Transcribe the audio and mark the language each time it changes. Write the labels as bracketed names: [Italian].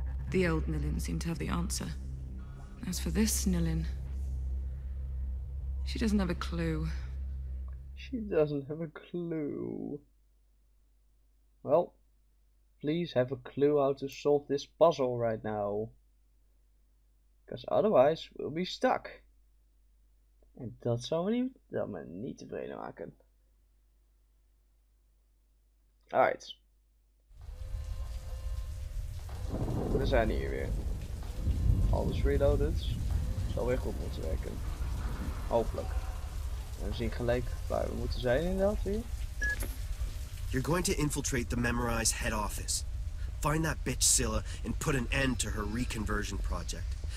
[English] The old Nilin seemed to have the answer. As for this Nilin, she doesn't have a clue. She doesn't have a clue. Well, please have a clue how to solve this puzzle right now. Because otherwise, we'll be stuck. [Dutch] En dat zou me niet tevreden maken. [English] Alright. [Dutch] We zijn hier weer. Alles reloaded. zal weer goed moeten werken. Hopelijk. We zien gelijk waar we moeten zijn inderdaad hier. [English] You're going to infiltrate the Memorize head office. Find that bitch Scylla and put an end to her reconversion project.